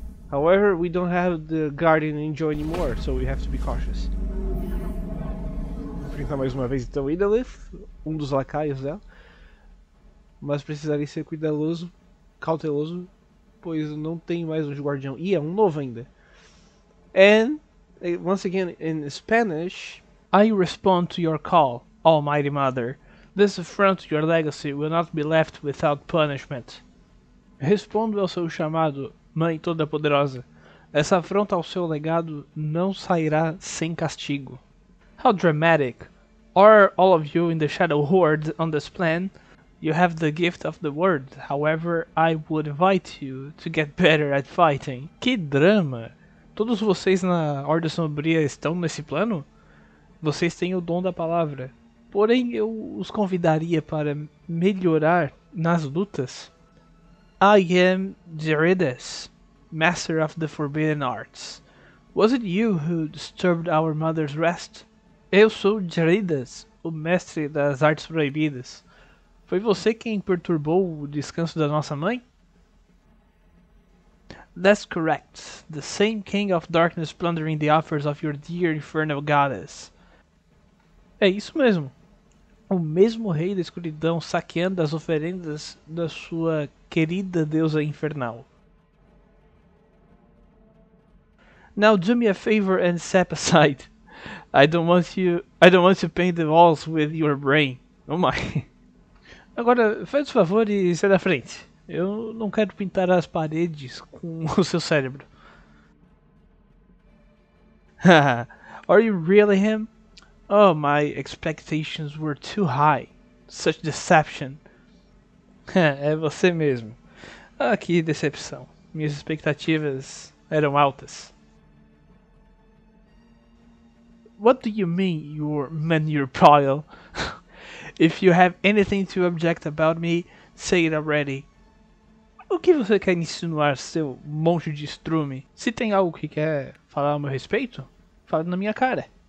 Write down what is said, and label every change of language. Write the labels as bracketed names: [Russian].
[English] However, we don't have the Guardian Angel anymore, so we have to be cautious. [Portuguese] Vou enfrentar mais uma vez então Edelith, um dos lacaios dela. Mas precisarei ser cauteloso, pois não tem mais um guardião. E é um novo ainda. [English] And, once again in Spanish, I respond to your call, Almighty Mother. This affront to your legacy will not be left without punishment. [Portuguese] Respondo ao seu chamado, Mãe Toda-Poderosa. Essa afronta ao seu legado não sairá sem castigo. [English] How dramatic. Are all of you in the Shadow Horde on this plan? You have the gift of the word. However, I would invite you to get better at fighting. [Portuguese] Que drama. Todos vocês na Horda Sombria estão nesse plano? Vocês têm o dom da palavra. Porém, eu os convidaria para melhorar nas lutas. [English] I am Zeridas, Master of the Forbidden Arts. Was it you who disturbed our mother's rest? [Portuguese] Eu sou Zeridas, o Mestre das Artes Proibidas. Foi você quem perturbou o descanso da nossa mãe? [English] That's correct. The same King of Darkness plundering the offers of your dear infernal goddess. [Portuguese] É isso mesmo. O mesmo rei da escuridão saqueando as oferendas da sua querida deusa infernal. [English] Now do me a favor and step aside. I don't want to paint the walls with your brain. Oh my. [Portuguese] Agora, faz o favor e sai da frente. Eu não quero pintar as paredes com o seu cérebro. [English] Are you really him? Oh, my expectations were too high. Such deception. [Portuguese] É você mesmo. Ah, que decepção. Minhas expectativas eram altas. [English] What do you mean, your manure pile? If you have anything to object about me, say it already. [Portuguese] O que você quer insinuar, seu monte de estrume? Se tem algo que quer falar ao meu respeito, fala na minha cara.